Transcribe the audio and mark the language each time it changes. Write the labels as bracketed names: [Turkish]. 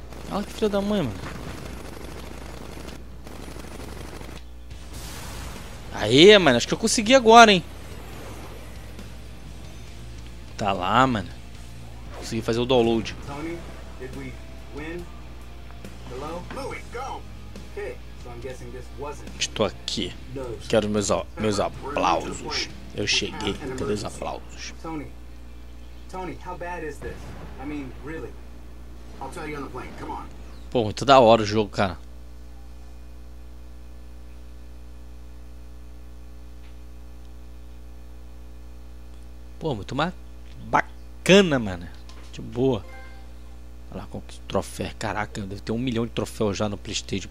[Portuguese] Olha que filho da mãe, mano. Aê, mano, acho que eu consegui agora, hein. Tá lá, mano. Consegui fazer o download. [English] Tony, did we win? Hello? Louis, go! Okay, so I'm guessing this wasn't. [Portuguese] Estou aqui. Quero meus aplausos. Eu cheguei. Cadê os aplausos? [English] Tony, how bad is this? I mean, really? I'll tell you on the plane, come on. [Portuguese] Pô, muito da hora o jogo, cara. Pô, muito mais bacana, mano. De boa. Olha lá, qual que é o troféu. Caraca, deve ter 1 milhão de troféus já no PlayStation.